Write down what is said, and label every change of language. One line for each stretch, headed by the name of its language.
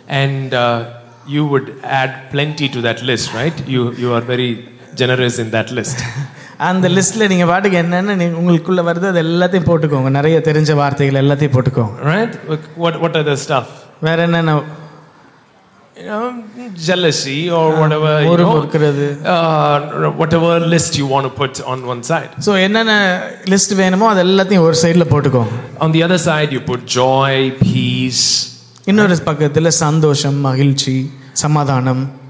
English: and you would add plenty to that list, right? You are very generous in that list.
Tamil: அந்த லிஸ்ட்ல நீங்க பாட்டுக்கு என்னென்ன உங்களுக்குள்ள வருது அது எல்லாத்தையும் போட்டுக்கோங்க. நிறைய தெரிஞ்ச வார்த்தைகள் எல்லாத்தையும் போட்டுக்கோங்க.
English: Right? What are the stuff?
Tamil: வேற என்னென்ன?
English: You know, jealousy or whatever, you know.
Tamil: ஒருக்குறது.
English: Whatever list you want to put on one side.
Tamil: So என்னென்ன லிஸ்ட் வேணுமோ அது எல்லாத்தையும் ஒரு சைடுல போட்டுக்கோங்க.
English: On the other side you put joy, peace.
Tamil: இன்னொரு பக்கத்துல சந்தோஷம், மகிழ்ச்சி, சமாதானம்.